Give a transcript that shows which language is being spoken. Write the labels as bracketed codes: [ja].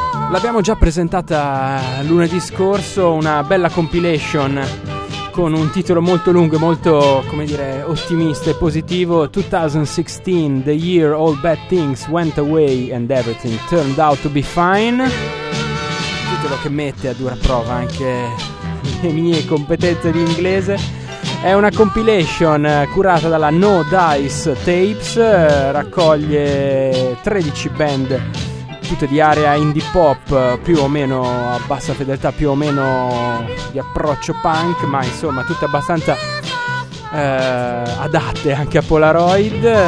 [it] L'abbiamo già presentata lunedì scorso, una bella compilation con un titolo molto lungo e molto, come dire, ottimista e positivo. [en] 2016, the year all bad things went away and everything turned out to be fine. [it] Titolo che mette a dura prova anche le mie competenze di inglese. È una compilation curata dalla No Dice Tapes, raccoglie 13 band di area indie pop più o meno a bassa fedeltà, più o meno di approccio punk, ma insomma tutte abbastanza adatte anche a Polaroid.